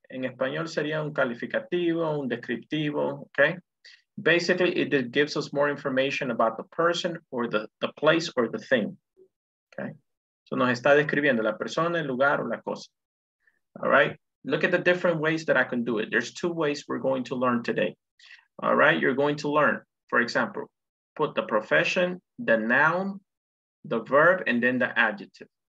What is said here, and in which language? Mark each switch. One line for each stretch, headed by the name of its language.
Spanish: En español sería un calificativo, un descriptivo, okay?
English: Basically, it gives us more information about the person or the place or the thing, okay?
Spanish: So nos está describiendo la persona, el lugar o la cosa.
English: All right. Look at the different ways that I can do it. There's two ways we're going to learn today. All right. You're going to learn, for example, put the profession, the noun, the verb, and then the adjective.